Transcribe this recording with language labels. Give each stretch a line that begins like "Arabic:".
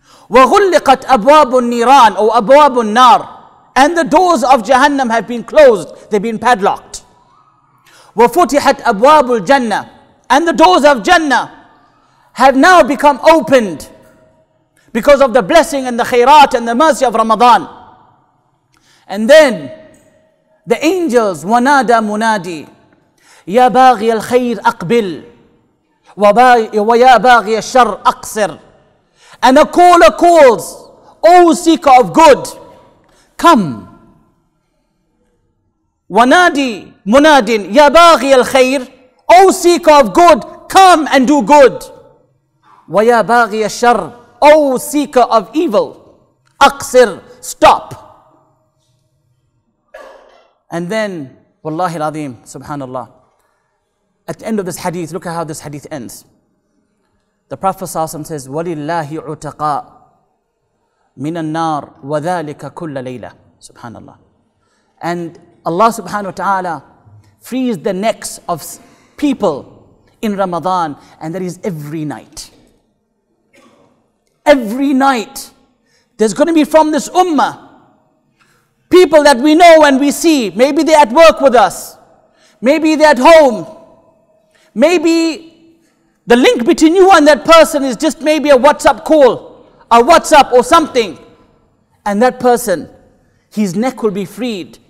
Arabic: وَغُلِّقَتْ أَبْوَابُ النِّيرَانِ or أَبْوَابُ النَّارِ.
English: And the doors of Jahannam have been closed, they've been padlocked.
Arabic: وَفُتِحَتْ أَبْوَابُ الْجَنَّةِ.
English: And the doors of Jannah have now become opened because of the blessing and the khairat and the mercy of Ramadan. And then the angels,
Arabic: وَنَادَى مُنَادِي يَا بَاغِيَ الْخَيْرِ أَقْبِلْ وَيَا بَاغِيَ الشَّرِ أَقْصِرْ.
English: And a caller calls, "O seeker of good, come."
Arabic: وَنَادِي مُنَادٍ يَا بَاغِيَ الْخَيْرِ.
English: O seeker of good, come and do good.
Arabic: وَيَا بَاغِيَ الشَّرِ.
English: O seeker of evil,
Arabic: أَقْصِرْ,
English: stop. And then,
Arabic: وَاللَّهِ الْعَظِيمِ,
English: subhanAllah. At the end of this hadith, look at how this hadith ends. The Prophet ﷺ says,
Arabic: وَلِلَّهِ عُتَقَاء مِنَ النَّارِ وَذَلِكَ كُلَّ لَيْلَةِ, subhanAllah.
English: And Allah subhanahu wa ta'ala frees the necks of people in Ramadan, and that is every night. Every night, there's going to be from this ummah, people that we know and we see, maybe they're at work with us, maybe they're at home, maybe the link between you and that person is just maybe a WhatsApp call, a WhatsApp or something, and that person, his neck will be freed.